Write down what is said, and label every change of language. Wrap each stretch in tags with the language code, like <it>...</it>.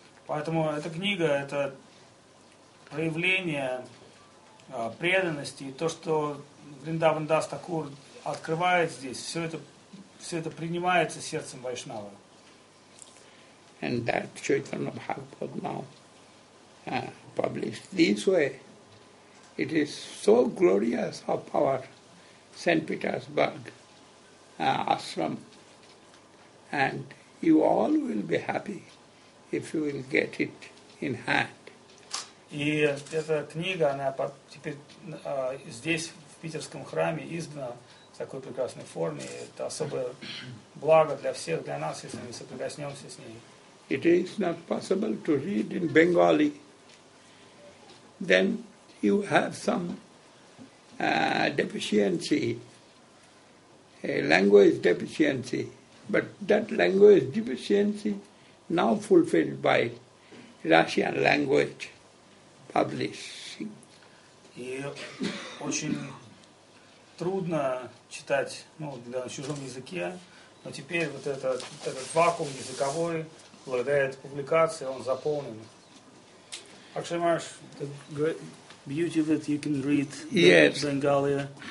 <ru>Поэтому эта книга – это проявление преданности. То, что Вриндаван Дас Такур открывает здесь, все это принимается сердцем Вайшнава.</ru> <en>And that Chaitanya Bhagavad now. Published this way, it is so glorious of our St. Petersburg ashram, and you all will be happy if you will get it in hand.</en> <ru>И эта книга, она теперь здесь, в Питерском храме, издана в такой прекрасной форме. Это особое благо для всех, для нас, если мы соприкоснемся с ней.</ru> <en>It is not possible to read in Bengali. Then you have some deficiency, a language deficiency. But that language deficiency now fulfilled by Russian language publishing.</en> <ru>И очень трудно читать, на чужом языке, но теперь этот вакуум языковой, благодаря этой публикации, он заполнен.</ru> <en>Akshay Maharaj, the great beauty of it, you can read Bengali,</en>